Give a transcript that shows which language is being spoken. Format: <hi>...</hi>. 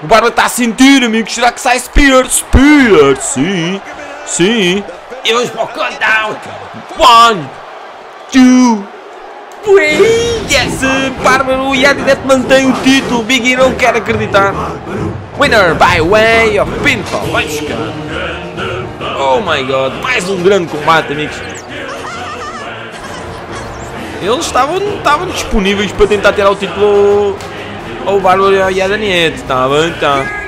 <pt>O Bárbaro está a sentir, amigo! Será que sai Spear? Spear! Sim! Sim! E vamos para o countdown! 1, 2, 3! Yes! Bárbaro, o Yadinette mantém o título! Big E não quer acreditar!</pt> <en>Winner by way of pinfall!</en> <pt>Vamos cá!</pt> <en>Oh my god,</en> <pt>mais um grande combate, amigos. Eles estavam disponíveis para tentar tirar o título ao Bárbaro e à Danieta. Está bem, está.</pt>